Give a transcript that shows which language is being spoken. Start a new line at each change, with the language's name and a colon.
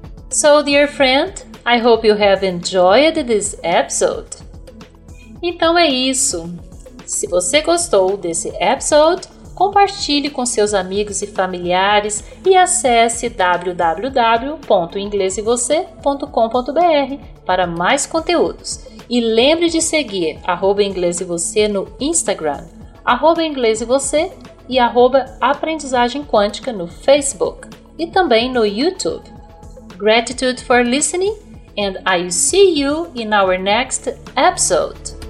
English: So, dear friend, I hope you have enjoyed this episode.
Portuguese: Então é isso. Se você gostou desse episode, compartilhe com seus amigos e familiares e acesse www.inglesevocê.com.br para mais conteúdos. E lembre de seguir @inglesevocê no Instagram, @inglesevocê e @aprendizagemquântica no Facebook e também no YouTube.
English: Gratitude for listening, and I'll see you in our next episode.